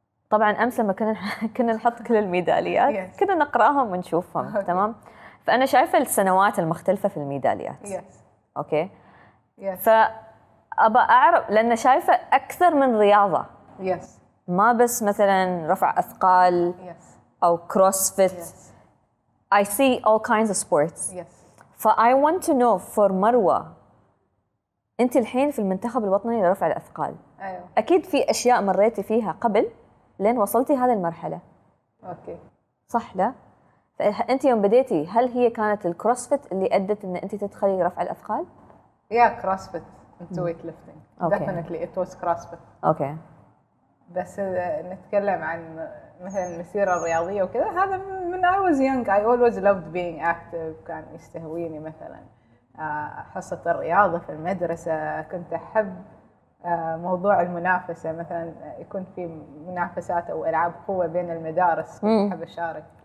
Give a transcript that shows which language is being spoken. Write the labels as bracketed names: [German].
[Arabic] طبعاً أمس لما كنا نحط كل الميداليات كنا نقرأهم ونشوفهم تمام؟ فأنا شايفة السنوات المختلفة في الميداليات. أوكي؟ فأبا أعرف لأن شايفة أكثر من رياضة. ما بس مثلاً رفع أثقال أو كروسفيت. [English] I see all kinds of sports. I want to know for [Arabic] مروة أنت الحين في المنتخب الوطني لرفع الأثقال. أيوه. أكيد في أشياء مريتي فيها قبل لين وصلتي هذا المرحلة. أوكي. صح لا؟ فأنت يوم بديتي هل هي كانت الكروسفيت اللي أدت أن أنت تدخلي رفع الأثقال؟ [English] Yeah, CrossFit into weightlifting. Okay. Definitely, it was CrossFit. Okay. [Arabic] بس نتكلم عن مثلا المسيرة الرياضية وكذا هذا من [English] I was young I always loved being active [Arabic] كان يستهويني مثلا حصة الرياضة في المدرسة كنت أحب موضوع المنافسة مثلا يكون في منافسات أو ألعاب قوة بين المدارس كنت أحب أشارك.